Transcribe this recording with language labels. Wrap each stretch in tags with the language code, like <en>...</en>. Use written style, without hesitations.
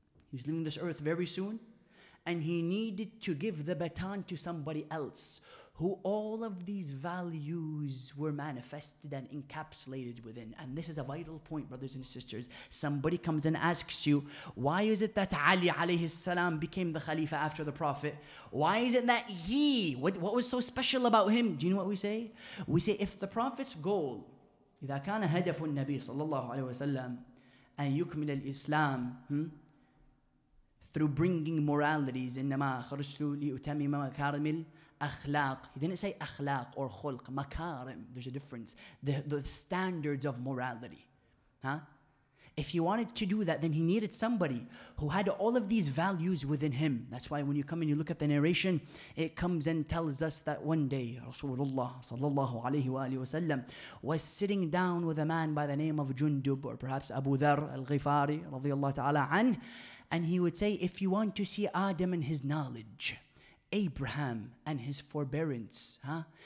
<en>He was leaving this earth very soon. And he needed to give the baton to somebody else who all of these values were manifested and encapsulated within. And this is a vital point, brothers and sisters. Somebody comes and asks you, why is it that Ali alayhi salam became the Khalifa after the Prophet? Why is it that he, what was so special about him? Do you know what we say? We say, if the Prophet's goal,</en> <ar>إذا كان هدف النبي صلى الله عليه وسلم أن يكمل الإسلام,</ar> <en>through bringing moralities,</en> <ar>إنما خرجت لأتمم مكارم الأخلاق.</ar> <en>He didn't say أخلاق or خلق, مكارم. There's a difference. The standards of morality. Huh? If he wanted to do that, then he needed somebody who had all of these values within him. That's why when you come and you look at the narration, it comes and tells us that one day Rasulullah sallallahu alayhi wa alihi wa sallam was sitting down with a man by the name of Jundub, or perhaps Abu Dhar al-Ghifari radiyallahu ta'ala an, and he would say, if you want to see Adam and his knowledge, Abraham and his forbearance, huh?</en>